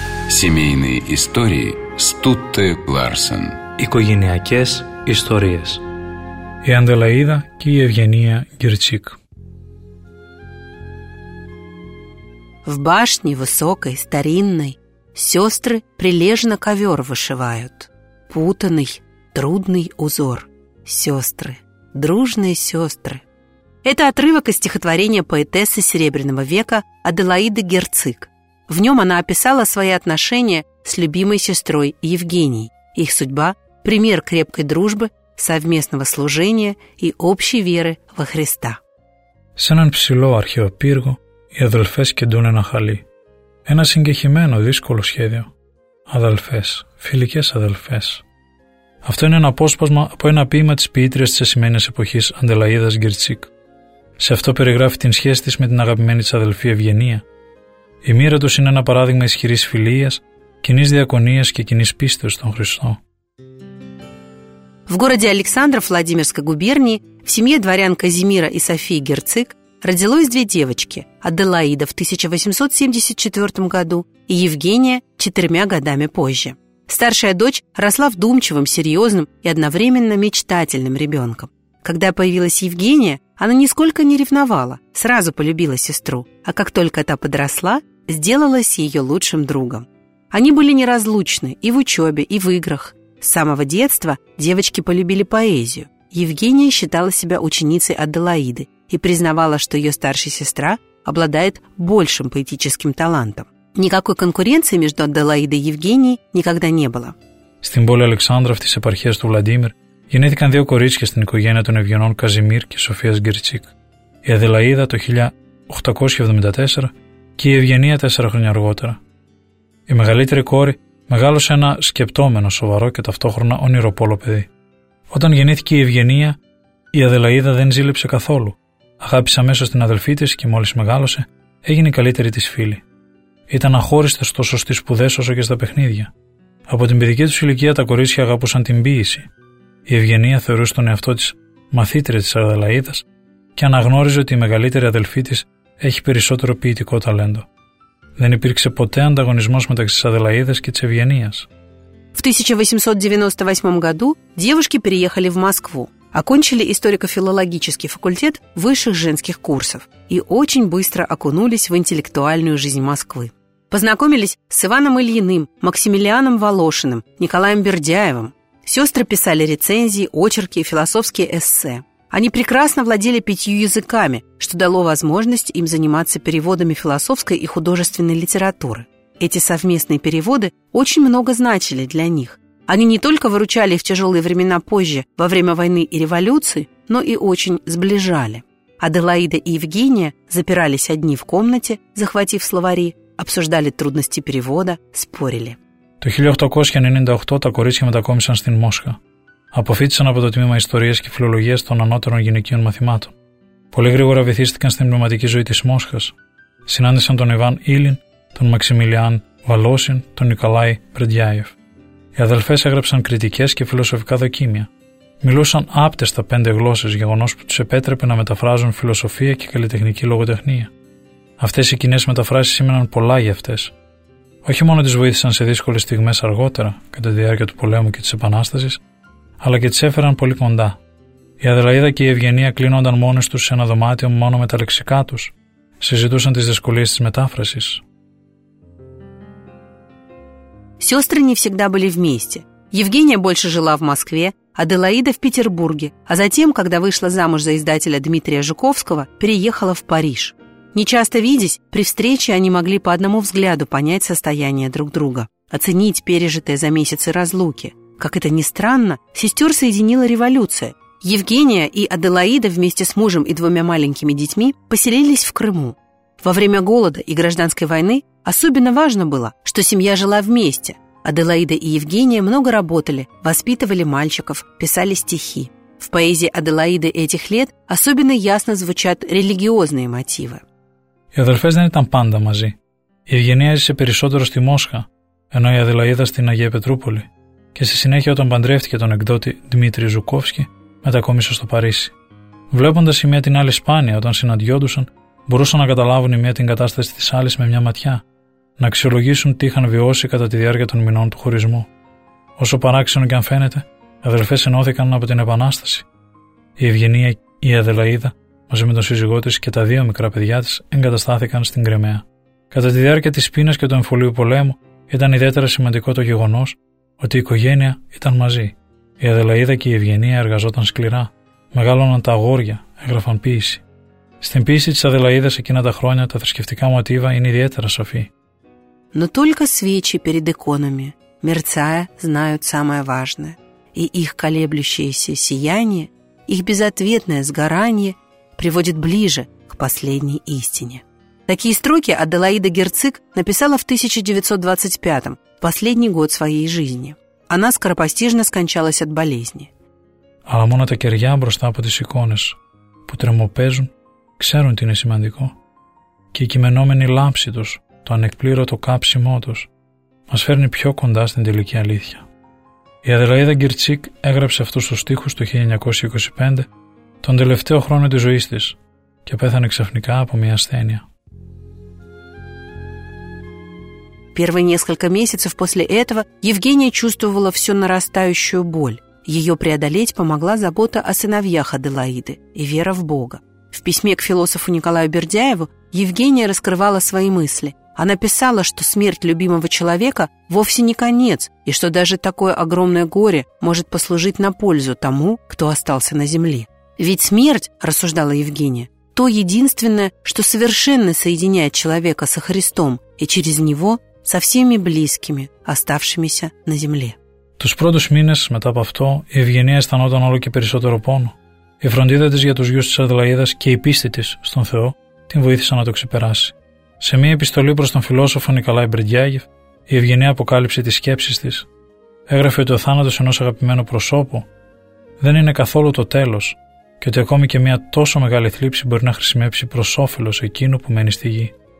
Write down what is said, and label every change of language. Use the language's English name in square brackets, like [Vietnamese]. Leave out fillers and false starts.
[Russian] Семейные истории Стутте Ларсен. [Greek] Οικογενειακές ιστορίες. Η Αντελαΐδα και η Ευγενία Γκυρτσίκ. [Russian] В башне высокой, старинной, сестры прилежно ковер вышивают. Путанный, трудный узор. Сестры, дружные сестры. Это отрывок из стихотворения поэтессы Серебряного века Аделаиды Герцик. В нем она описала свои отношения с любимой сестрой Евгенией. Их судьба – пример крепкой дружбы, совместного служения и общей веры во Христа. [Greek] Σε έναν ψηλό αρχαίο πύργο οι αδελφές κεντούν ένα χαλί. Ένα συγκεχημένο δύσκολο σχέδιο. Αδελφές, φιλικές αδελφές. Αυτό είναι ένα απόσπασμα από ένα ποίημα της ποιήτριας της ασημένιας εποχής Αντελαΐδας Γκυρτσίκ. Σε αυτό περιγράφει την σχέση της με την αγαπημένη της αδελφή Ευγενία. Η μοίρα τους είναι ένα παράδειγμα ισχυρής φιλίας, κοινής διακονίας και κοινής πίστεως στον Χριστό. [Russian] В городе Александров Владимирской губернии в семье дворян Казимира и Софии Герцик родилось две девочки – Аделаида в 1874 году и Евгения четырьмя годами позже. Старшая дочь росла вдумчивым, серьезным и одновременно мечтательным ребенком. Когда появилась Евгения, она нисколько не ревновала, сразу полюбила сестру, а как только та подросла, сделалась ее лучшим другом. Они были неразлучны и в учебе, и в играх. С самого детства девочки полюбили поэзию. Евгения считала себя ученицей Аделаиды и признавала, что ее старшая сестра обладает большим поэтическим талантом. Никакой конкуренции между Аделаидой и Евгенией никогда не было. [Greek] Στην πόλη Αλεξάνδρωφ της επαρχίας του Βλαντίμιρ γεννήθηκαν δύο κορίτσια στην οικογένεια των Ευγενών Καζιμίρ και Σοφίας Γκυρτσίκ. Η Αδελαΐδα το 1874 και η Ευγενία 4 χρόνια αργότερα. Η μεγαλύτερη κόρη μεγάλωσε ένα σκεπτόμενο, σοβαρό και ταυτόχρονα ονειροπόλο παιδί. Όταν γεννήθηκε η Ευγενία, η Αδελαΐδα δεν ζήλεψε καθόλου. Αγάπησε αμέσως την αδελφή της και μόλις μεγάλωσε, έγινε η καλύτερη της φίλη. Ήταν αχώριστες τόσο στις σπουδές όσο και στα παιχνίδια. Από την παιδική τους ηλικία τα κορίτσια αγαπούσαν την ποίηση. Η Ευγενία θεωρούσε τον εαυτό της μαθήτρια της Αδελαΐδας και αναγνώριζε ότι η μεγαλύτερη αδελφή της έχει περισσότερο ποιητικό ταλέντο. Δεν υπήρξε ποτέ ανταγωνισμός μεταξύ της Αδελαΐδας και της Ευγενίας. [Russian] В 1898 году девушки переехали в Москву, окончили историко-филологический факультет высших женских курсов и очень быстро окунулись в интеллектуальную жизнь Москвы. Познакомились с Иваном Ильиным, Максимилианом Волошиным, Николаем Бердяевым. Сестры писали рецензии, очерки и философские эссе. Они прекрасно владели пятью языками, что дало возможность им заниматься переводами философской и художественной литературы. Эти совместные переводы очень много значили для них. Они не только выручали в тяжелые времена позже, во время войны и революции, но и очень сближали. Аделаида и Евгения запирались одни в комнате, захватив словари, обсуждали трудности перевода, спорили. [Greek] Το 1898 τα κορίτσια μετακόμισαν στην Μόσχα. Αποφύτησαν από το τμήμα Ιστορίας και Φιλολογίας των Ανώτερων Γυναικείων Μαθημάτων. Πολύ γρήγορα βυθίστηκαν στην πνευματική ζωή της Μόσχας. Συνάντησαν τον Ιβάν Ήλιν, τον Μαξιμιλιάν Βαλόσιν, τον Νικολάη Μπρεντιάεφ. Οι αδελφές έγραψαν κριτικές και φιλοσοφικά δοκίμια. Μιλούσαν άπτεστα πέντε γλώσσες, γεγονός που τους επέτρεπε να μεταφράζουν φιλοσοφία και καλλιτεχνική λογοτεχνία. Αυτές οι κοινές μεταφράσεις σήμαιναν πολλά για αυτές. Όχι μόνο τις βοήθησαν σε δύσκολες στιγμές αργότερα, κατά τη διάρκεια του πολέμου και της Επανάστασης, αλλά και τις έφεραν πολύ κοντά. Η Αδελαίδα και η Ευγενία κλείνονταν μόνες τους σε ένα δωμάτιο μόνο με τα λεξικά τους. Συζητούσαν τις δυσκολίες της μετάφρασης. [Russian] Сёстры не всегда были вместе. Евгения больше жила в Москве, Аделаида в Петербурге, а затем, когда вышла замуж за издателя Дмитрия Жуковского, переехала в Париж. Нечасто видясь, при встрече они могли по одному взгляду понять состояние друг друга, оценить пережитое за месяцы разлуки. Как это ни странно, сестер соединила революция. Евгения и Аделаида вместе с мужем и двумя маленькими детьми поселились в Крыму. Во время голода и гражданской войны особенно важно было, что семья жила вместе. Аделаида и Евгения много работали, воспитывали мальчиков, писали стихи. В поэзии Аделаиды этих лет особенно ясно звучат религиозные мотивы. [Greek] Οι αδελφές δεν ήταν πάντα μαζί. Η Ευγενία έζησε περισσότερο στη Μόσχα, ενώ η Αδελαίδα στην Αγία Πετρούπολη, και στη συνέχεια όταν παντρεύτηκε τον εκδότη Δημήτρη Ζουκόφσκι, μετακόμισε στο Παρίσι. Βλέποντας η μία την άλλη σπάνια, όταν συναντιόντουσαν, μπορούσαν να καταλάβουν η μία την κατάσταση της άλλης με μια ματιά, να αξιολογήσουν τι είχαν βιώσει κατά τη διάρκεια των μηνών του χωρισμού. Όσο παράξενο και αν φαίνεται, οι αδελφές ενώθηκαν από την Επανάσταση. Η Ευγενία, η Αδελαίδα, μαζί με τον σύζυγό της και τα δύο μικρά παιδιά της, εγκαταστάθηκαν στην Κρυμαία. Κατά τη διάρκεια της πείνας και του εμφυλίου πολέμου, ήταν ιδιαίτερα σημαντικό το γεγονός ότι η οικογένεια ήταν μαζί. Η Αδελαίδα και η Ευγενία εργαζόταν σκληρά. Μεγάλωναν τα αγόρια, έγραφαν ποίηση. Στην ποίηση της Αδελαίδας εκείνα τα χρόνια τα θρησκευτικά μοτίβα είναι ιδιαίτερα σαφή. [Russian] Но только свечи перед иконами, мерцая, знают самое важное. И их колеблющееся сияние, их безответное сгорание приводит ближе к последней истине. Такие строки Аделаида Герцик написала в 1925-м, в последний год своей жизни. Она скоропостижно скончалась от болезни. [Greek] Αλλά μόνο τα κεριά μπροστά από τις εικόνες, που τρεμοπαίζουν, ξέρουν τι είναι σημαντικό. Και η κειμενόμενη λάμψη τους, το ανεκπλήρωτο κάψιμό τους, μας φέρνει πιο κοντά στην τελική αλήθεια. Η Αδελαίδα Γκυρτσίκ έγραψε αυτούς τους στίχους το 1925, τον τελευταίο χρόνο της ζωής της, και πέθανε ξαφνικά από μια ασθένεια. [Russian] Первые несколько месяцев после этого Евгения чувствовала всю нарастающую боль. Ее преодолеть помогла забота о сыновьях Аделаиды и вера в Бога. В письме к философу Николаю Бердяеву Евгения раскрывала свои мысли. Она писала, что смерть любимого человека вовсе не конец, и что даже такое огромное горе может послужить на пользу тому, кто остался на земле. Ведь смерть, рассуждала Евгения, то единственное, что совершенно соединяет человека со Христом и через него со всеми близкими, оставшимися на земле. [Greek] Τους πρώτους μήνες μετά από αυτό η Ευγενία αισθανόταν όλο και περισσότερο πόνο. Η φροντίδα της για τους γιους της Αδελαίδας και η πίστη της στον Θεό την βοήθησαν να το ξεπεράσει. Σε μια επιστολή προς τον φιλόσοφο Νικολάη Μπρεντιάγεφ, η Ευγενία αποκάλυψε τις σκέψεις της. Έγραφε ότι ο θάνατος ενός αγαπημένου προσώπου δεν είναι καθόλου το τέλος και ότι ακόμη και μια τόσο μεγάλη θλίψη μπορεί να χρησιμεύσει προς όφελος εκείνου που μένει στη γη.